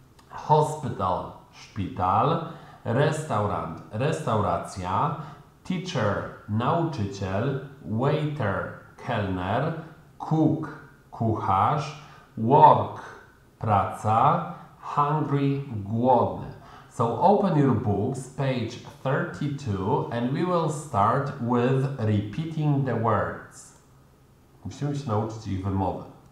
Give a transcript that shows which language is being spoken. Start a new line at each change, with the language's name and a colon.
English: hospital, szpital, restaurant, restauracja, teacher, nauczyciel, waiter, kelner, cook, kucharz, work, praca, hungry, głodny. So open your books, page 32, and we will start with repeating the words.
Polish: Musimy się nauczyć ich wymowy.